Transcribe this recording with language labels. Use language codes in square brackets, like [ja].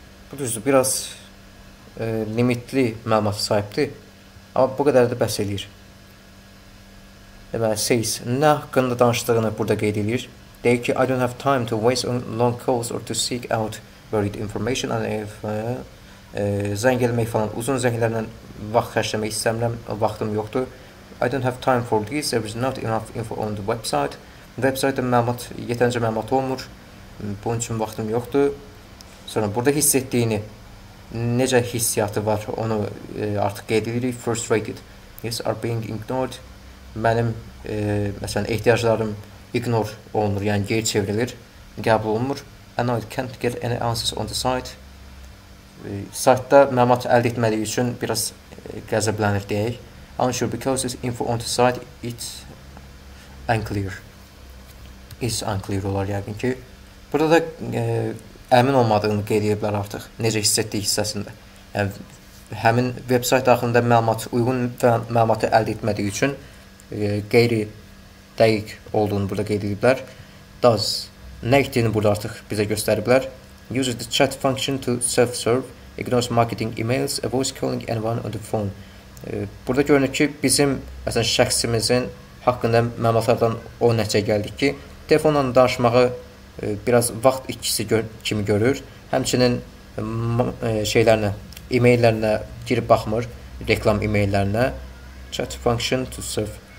[az] Bu düzdür, biraz limitli məlumat sahibdir, amma bu qədər də bəhs eləyir. Deməli, says, nə haqqında danışdığını burada qeyd edir. Deyir ki, [en] I don't have time to waste on long calls or to seek out buried information. And if, [az] zəng eləmək falan, uzun zənglərlə vaxt xərcləmək istəmirəm, vaxtım yoxdur. [en] I don't have time for this, there is not enough info on the website. [az] Website-də məlumat, yetəncə məlumat olmur, bunun üçün vaxtım yoxdur. Sonra burada hiss etdiyini, necə hissiyatı var, onu artıq qeyd edirik. [en] Frustrated, yes, are being ignored. [az] Mənim, məsələn, ehtiyaclarım ignore olunur, yəni geri çevrilir, qəbul olunmur. [en] And I can't get any answers on the site. [az] Saytda məlumat əldə etmədiyi üçün biraz qəzəblənir deyək. [en] Unsure because this info on the site it's unclear. It's unclear [az] olar yəqin ki. Burada da əmin olmadığını qeyd edə bilər artıq, necə hiss etdiyi hissəsində. Yəni, həmin web sayt daxilində məlumat, uyğun məlumatı əldə etmədiyi üçün qeyri dəqiq olduğunu burada qeyd ediblər. Does nə etdiyini burada artıq bizə göstəriblər. [en] Uses the chat function to self-serve, ignores marketing emails, avoids calling anyone on the phone. [az] Burada görünür ki, bizim məsələn şəxsimizin haqqında məlumatlardan o nəticə gəldik ki, telefonla danışmağı biraz vaxt ikisi kimi görür. Həmçinin şeylərinə, emaillərinə girib baxmır, reklam emaillərinə. [en] Chat function to serve